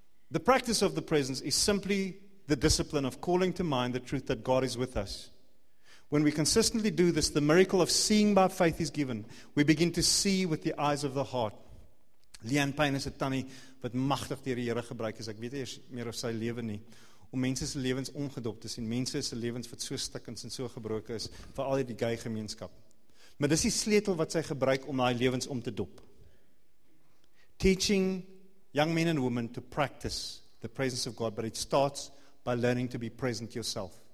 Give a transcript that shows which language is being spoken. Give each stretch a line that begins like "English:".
English: The practice of the presence is simply the discipline of calling to mind the truth that God is with us. When we consistently do this, the miracle of seeing by faith is given. We begin to see with the eyes of the heart.
Afrikaans: Leon Payne is 'n tannie wat magtig deur die Here gebruik is. Ek weet nie meer of sy lewe nie. Om mense se lewens ongedop te sien. Mense se lewens wat so stikkend en so gebroken is, veral in die gay gemeenskap. Maar dis die sleutel wat sy gebruik om daai lewens om te dop.
English: Teaching young men and women to practice the presence of God, but it starts by learning to be present yourself.